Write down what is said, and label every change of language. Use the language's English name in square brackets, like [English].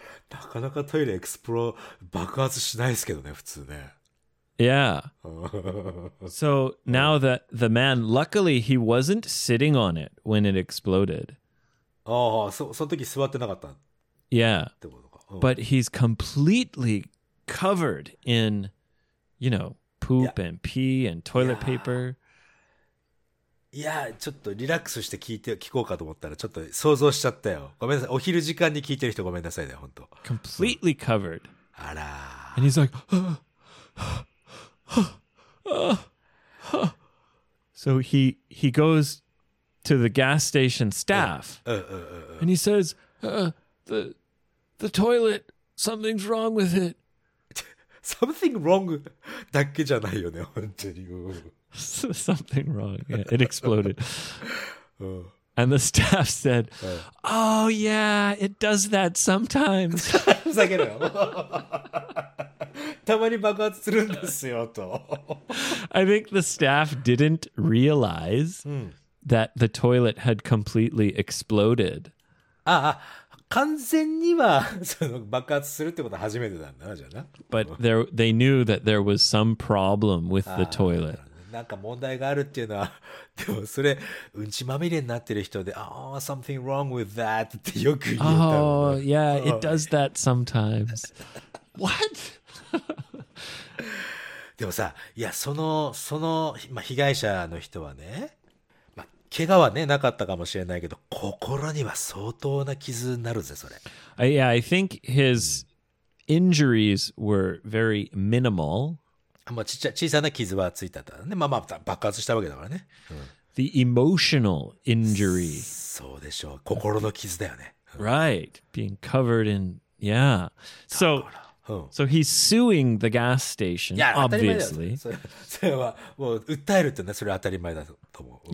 [Japanese] なかなかトイレエクスプロ爆発しないですけどね、普通ね。 [English] Yeah. So now that the man, luckily he wasn't sitting on it when it exploded. [Japanese] ああ、その時座ってなかった。 [English] Yeah. But he's completely covered in, you know, poop and pee and toilet paper. [Japanese] いや、ちょっとリラックスして聞こうかと思ったらちょっと想像しちゃったよ。ごめんなさい。お昼時間に聞いてる人ごめんなさいね、本当。 [English] Completely covered. [Japanese] あら。 [English] And he's like, So he goes to the gas station staff. And he says, the toilet, something's wrong with it. Something wrong [Japanese] だけじゃないよね、本当に。 [English] Something wrong. Yeah, it exploded. And the staff said, oh yeah, it does that sometimes. [Japanese] ふざけろよ。たまに爆発するんですよと。 [English] I think the staff didn't realize that the toilet had completely exploded. [Japanese] ああ、完全にはその爆発するってことは初めてなんだな、じゃあな。 [English] But they knew that there was some problem with the toilet. [Japanese] なんか問題があるっていうのは、でもそれうんちまみれになってる人で、ah、 [English] oh, something wrong with that [Japanese] ってよく言ったの。 [English] Oh yeah, it does that sometimes. What? [Japanese] でもさ、いやその、まあ、被害者の人はね、まあ、怪我はねなかったかもしれないけど、心には相当な傷になるぜそれ。 [English] Yeah, I think his injuries were very minimal. [Japanese] まあ、小さな傷はついたからね。まあまあ爆発したわけだからね。うん、 [English] The emotional injury. [Japanese] そうでしょう。心の傷だよね。うん、 [English] right. Being covered in. Yeah. So,、うん、so he's suing the gas station, obviously. [Japanese] それはもう訴えるってね、それは当たり前だと思う。うん、